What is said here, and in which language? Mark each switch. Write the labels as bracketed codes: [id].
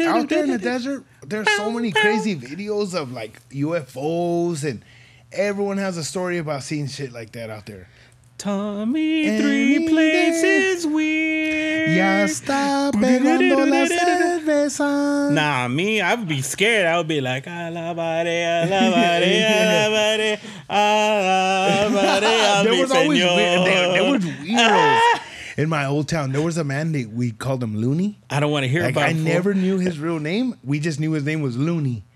[en] Out there in the desert, there's so many crazy videos of like UFOs and... Everyone has a story about seeing shit like that out there. Tommy, and three places weird. [es] Ya está pegando la cerveza. [en] Nah, me, I would be scared. I would be like, [es] a la madre, a la madre, [en] a la madre, a la madre, there was always weird. There was weirdos. In my old town, there was a man that we called him Looney. I don't want to hear about him. I never knew his real name. We just knew his name was Looney.